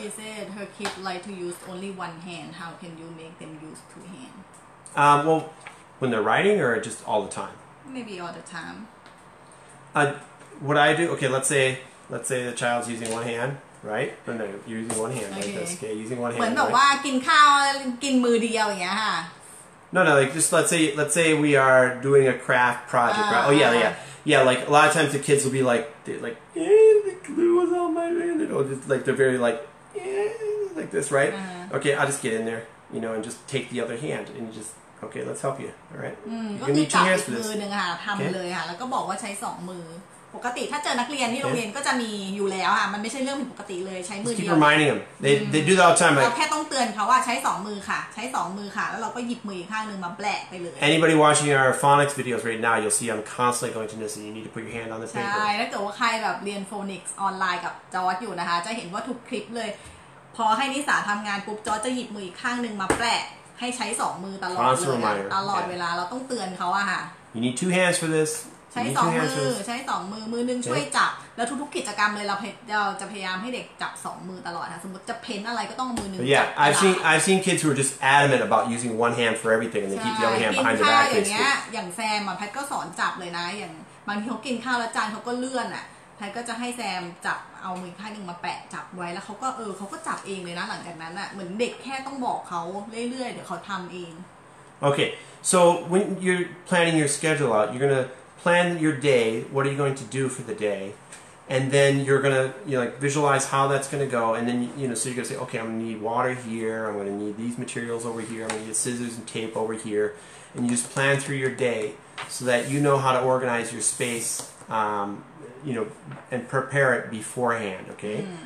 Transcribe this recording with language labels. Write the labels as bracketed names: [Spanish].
[English] she said her kids like to use only one hand. How can you make them use two hands? Well, when they're writing or just all the time? Maybe all the time. What I do, okay, let's say the child's using one hand, right? And they're using one hand like this. Okay, using one hand. [Thai] เหมือนแบบว่ากินข้าวกินมือเดียวอย่างเงี้ยค่ะ [English] No, like just let's say we are doing a craft project, right? Oh, yeah. Yeah, like a lot of times the kids will be like, yeah, the glue is on my hand. You know, just like they're very like, yeah, like this, right? Okay, I'll just get in there, you know, and just take the other hand and just, Okay, let's help you. All right. [Thai] ก็จับอีกมือนึงค่ะทำเลยค่ะแล้วก็บอกว่าใช้สองมือปกติถ้าเจอนักเรียนที่โรงเรียนก็จะมีอยู่แล้วค่ะมันไม่ใช่เรื่องผิดปกติเลยใช้มือเดียว [English] Keep reminding them. They do that all the time. [Thai] เราแค่ต้องเตือนเขาว่าใช้สองมือค่ะใช้สองมือค่ะแล้วเราก็หยิบมืออีกข้างนึงมาแปะไปเลย [English] Anybody watching our phonics videos right now, you'll see I'm constantly going to this, and you need to put your hand on this paper. [Thai] ใช่ถ้าเกิดว่าใครแบบเรียน phonics ออนไลน์กับจอร์ดอยู่นะคะจะเห็นว่าทุกคลิปเลยพอให้นิสาทำงานปุ๊บจอร์ดจะหยิบมืออีกข้างนึงมาแปะให้ใช้สองมือตลอดเวลาเราต้องเตือนเขาอะค่ะ [English] You need two hands for this [Thai] ใช้สองมือมือนึงช่วยจับแล้วทุกกิจกรรมเลยเราจะพยายามให้เด็กจับสองมือตลอดค่ะสมมติจะเพ้นอะไรก็ต้องมือนึงจับ [English] Yeah I've seen kids who are just adamant about using one hand for everything and they keep the other hand behind their back [Thai] อย่างเงี้ยอย่างแซมอะแพทก็สอนจับเลยนะอย่างบางทีเขากินข้าวแล้วจานเขาก็เลื่อนอะแพทก็จะให้แซมจับเอามือข้างนึงมาแปะจับไว้แล้วเขาก็จับเองเลยนะหลังจากนั้นอ่ะเหมือนเด็กแค่ต้องบอกเขาเรื่อยๆเดี๋ยวเขาทำเอง [English] โอเค so when you're planning your schedule out you're gonna plan your day what are you going to do for the day and then you're gonna you know, like visualize how that's gonna go and then you know so you're gonna say okay I'm gonna need water here I'm gonna need these materials over here I'm gonna need scissors and tape over here and you just plan through your day so that you know how to organize your space you know, and prepare it beforehand, okay?